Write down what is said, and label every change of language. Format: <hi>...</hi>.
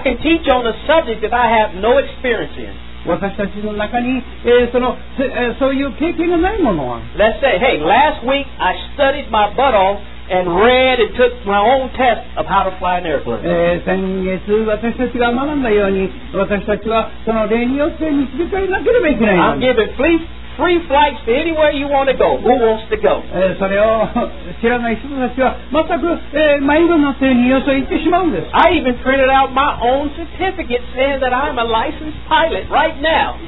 <en>I can teach on a subject that I have no experience in.</en> <ja>私たちの中に、そういう経験がないものは、</ja> <en>Let's say, hey, last week I studied my butt off and read and took my own test of how to fly an airplane.</en> <ja>先月私たちが学んだように、私たちはその例によって見つけられなければいけない。</ja> <en>I'm giving free flights to anywhere you want to go. Who wants to go?</en> <ja>それを知らない人たちは全く、迷子の手によそ行ってしまうんです。</ja> <en>I even printed out my own certificate saying that I'm a licensed pilot right now.</en>